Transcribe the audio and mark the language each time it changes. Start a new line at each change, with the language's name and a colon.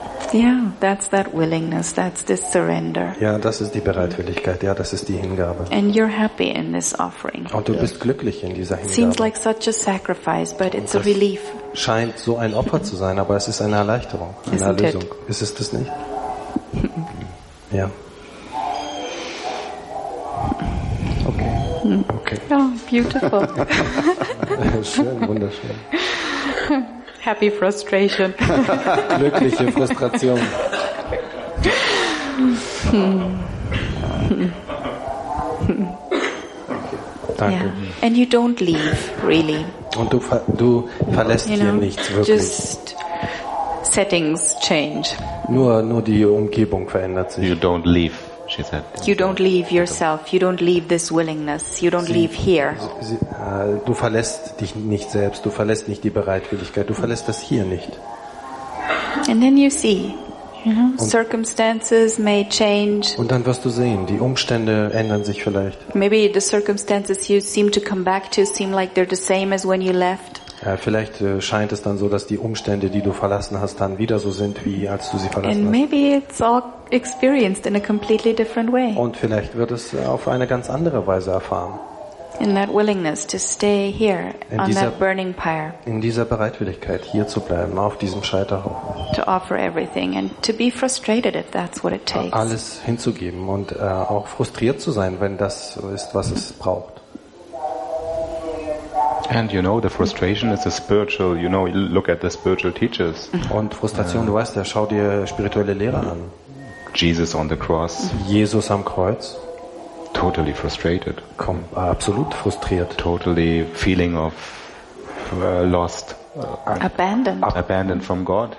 English: Yeah, that's that willingness, that's this surrender.
German: Ja, das ist die Bereitwilligkeit, ja, das ist die Hingabe.
English: And you're happy in this offering.
German: Und du bist glücklich in dieser Hingabe.
English: Seems like such a sacrifice, but it's a relief.
German: Scheint so ein Opfer zu sein, aber es ist eine Erleichterung, eine
English: Isn't
German: Erlösung.
English: It?
German: Ist es das nicht? Ja.
English: Okay. Okay. Oh, beautiful.
German: Schön, wunderschön.
English: Happy frustration.
German: Glückliche Frustration. Danke. Yeah.
English: And you don't leave, really.
German: Und du verlässt hier nichts wirklich.
English: Just settings change.
German: Nur die Umgebung verändert sich.
English: You don't leave. She said, you don't leave yourself. You don't leave this willingness. You don't leave here.
German: Du verlässt dich nicht selbst. Du verlässt nicht die Bereitwilligkeit. Du verlässt das hier nicht.
English: And then you see, you know, circumstances may change.
German: Und dann wirst du sehen, die Umstände ändern sich vielleicht.
English: Maybe the circumstances you seem to come back to seem like they're the same as when you left.
German: Vielleicht scheint es dann so, dass die Umstände, die du verlassen hast, dann wieder so sind, wie als du sie verlassen hast.
English: Maybe it's all experienced in a completely different way.
German: Und vielleicht wird es auf eine ganz andere Weise erfahren.
English: In that willingness to stay here on that burning pyre.
German: In dieser Bereitwilligkeit, hier zu bleiben, auf diesem Scheiterhaufen.
English: To offer everything and to be frustrated if that's what it takes.
German: Alles hinzugeben und auch frustriert zu sein, wenn das ist, was es braucht.
English: And you know the frustration is a spiritual, you know, look at the spiritual teachers.
German: Und Frustration, du weißt, schau dir spirituelle Lehrer an.
English: Jesus on the cross.
German: Jesus am Kreuz.
English: Totally frustrated.
German: Absolut frustriert.
English: Totally feeling of lost. Abandoned from God.